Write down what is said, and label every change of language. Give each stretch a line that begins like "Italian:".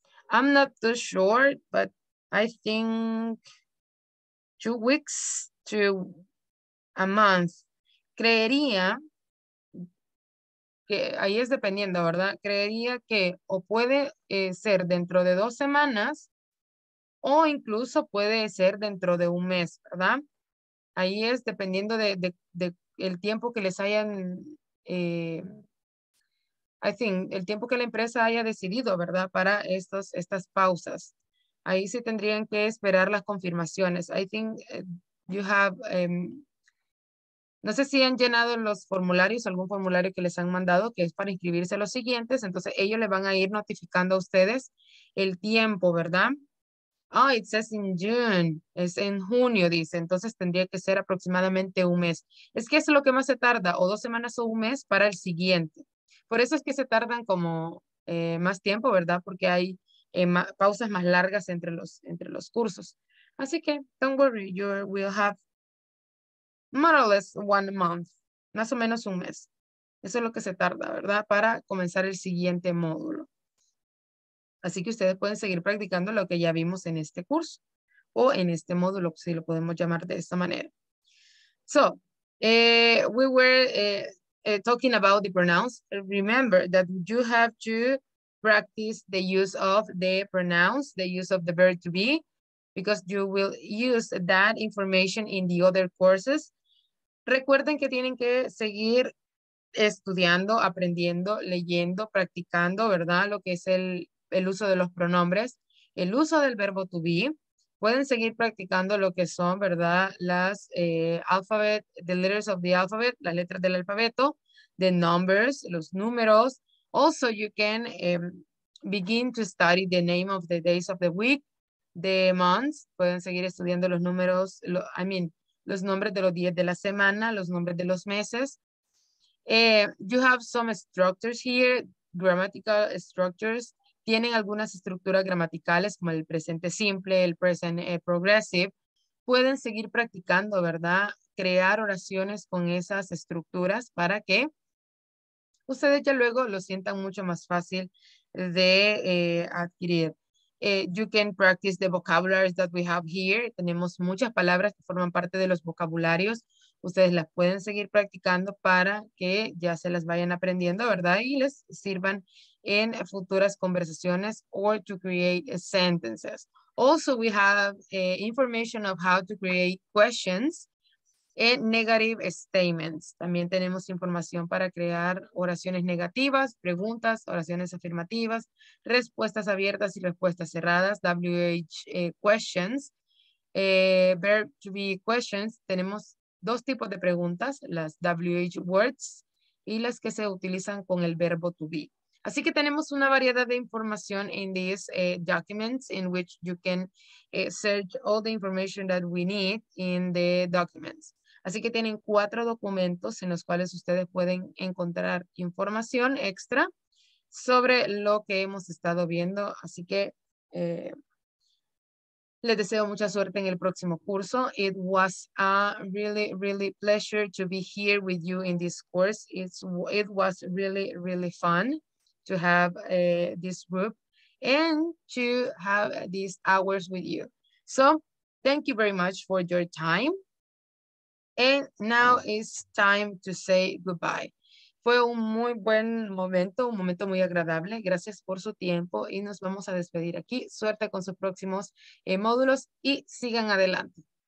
English: I'm not too sure, but I think 2 weeks to a month.
Spanish: Creería que ahí es dependiendo, ¿verdad? Creería que o puede ser dentro de 2 semanas o incluso puede ser dentro de un mes, ¿verdad? Ahí es dependiendo de el tiempo que les hayan,
English: I think,
Spanish: el tiempo que la empresa haya decidido, ¿verdad? Para estas pausas. Ahí se tendrían que esperar las confirmaciones.
English: I think you have,
Spanish: no sé si han llenado los formularios, algún formulario que les han mandado, que es para inscribirse a los siguientes. Entonces, ellos le van a ir notificando a ustedes el tiempo, ¿verdad?
English: Oh, it says in June.
Spanish: Es en junio, dice. Entonces tendría que ser aproximadamente un mes. Es que eso es lo que más se tarda, o 2 semanas o un mes para el siguiente. Por eso es que se tardan como más tiempo, ¿verdad? Porque hay más, pausas más largas entre los cursos. Así que,
English: don't worry, you will have more or less 1 month.
Spanish: Más o menos un mes. Eso es lo que se tarda, ¿verdad? Para comenzar el siguiente módulo. Así que ustedes pueden seguir practicando lo que ya vimos en este curso o en este módulo, si lo podemos llamar de esta manera.
English: So, we were talking about the pronouns. Remember that you have to practice the use of the pronouns, the use of the verb to be, because you will use that information in the other courses.
Spanish: Recuerden que tienen que seguir estudiando, aprendiendo, leyendo, practicando, ¿verdad? Lo que es el uso de los pronombres, el uso del verbo to be. Pueden seguir practicando lo que son, ¿verdad? Las alphabet,
English: the letters of the alphabet,
Spanish: las letras del alfabeto,
English: the numbers,
Spanish: los números.
English: Also, you can begin to study the name of the days of the week, the months.
Spanish: Pueden seguir estudiando los números,
English: I mean,
Spanish: los nombres de los días de la semana, los nombres de los meses.
English: You have some structures here, grammatical structures.
Spanish: Tienen algunas estructuras gramaticales como el presente simple, el present progressive. Pueden seguir practicando, ¿verdad? Crear oraciones con esas estructuras para que ustedes ya luego lo sientan mucho más fácil de adquirir.
English: You can practice the vocabularies that we have here.
Spanish: Tenemos muchas palabras que forman parte de los vocabularios. Ustedes las pueden seguir practicando para que ya se las vayan aprendiendo, ¿verdad? Y les sirvan en futuras conversaciones
English: or to create sentences. Also, we have information of how to create questions and negative statements.
Spanish: También tenemos información para crear oraciones negativas, preguntas, oraciones afirmativas, respuestas abiertas y respuestas cerradas, WH questions, verb to be questions. Tenemos dos tipos de preguntas, las WH words y las que se utilizan con el verbo to be. Así que tenemos una variedad de información
English: in these documents in which you can search all the information that we need in the documents.
Spanish: Así que tienen cuatro documentos en los cuales ustedes pueden encontrar información extra sobre lo que hemos estado viendo. Así que les deseo mucha suerte en el próximo curso.
English: It was a really, really pleasure to be here with you in this course. It was really, really fun to have this group and to have these hours with you. So, thank you very much for your time. And now it's time to say goodbye.
Spanish: Fue un muy buen momento, un momento muy agradable. Gracias por su tiempo y nos vamos a despedir aquí. Suerte con sus próximos módulos y sigan adelante.